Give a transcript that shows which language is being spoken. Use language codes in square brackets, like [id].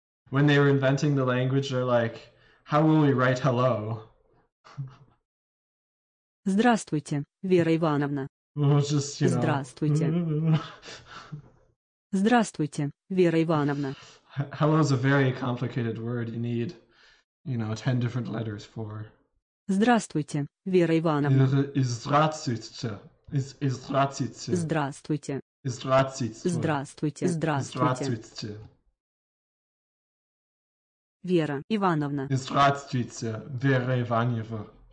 [en] When they were inventing the language, they're like, how will we write hello? [ru] Здравствуйте, Вера Ивановна. [en] Just, you know. [ru] Здравствуйте. Здравствуйте, Вера Ивановна. [en] Hello is a very complicated word you need, you know, 10 different letters for. [ru] Здравствуйте, Вера Ивановна. Здравствуйте. Здравствуйте. Здравствуйте. Здравствуйте. Здравствуйте. Здравствуйте. Вера Ивановна. Здравствуйте, Вера Ивановна.